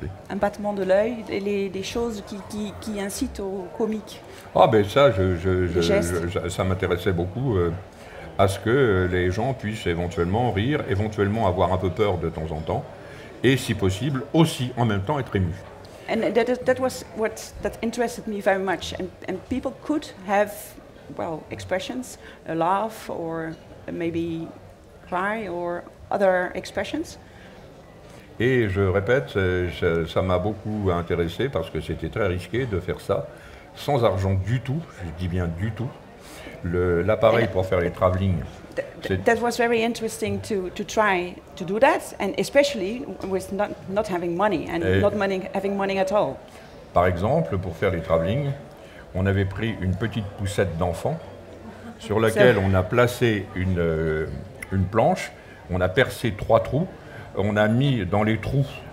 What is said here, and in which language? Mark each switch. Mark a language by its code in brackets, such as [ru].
[fr] Un battement de l'œil, des choses qui incitent au comique. Ah ben ça, ça m'intéressait beaucoup à ce que les gens puissent éventuellement rire, éventuellement avoir un peu peur de temps en temps, et si possible aussi en même temps être ému. [en] And that was what that interested me very much. And people could have well expressions, a laugh or maybe cry or other expressions. [fr] Et je répète, ça m'a beaucoup intéressé parce que c'était très risqué de faire ça sans argent du tout, je dis bien du tout, l'appareil pour faire les travelling. [en] That was very interesting to try to do that, and especially with not having money, and not having money at all. [fr] Par exemple, pour faire les travelling, on avait pris une petite poussette d'enfant sur laquelle on a placé une planche, on a percé trois trous. On a mis dans les trous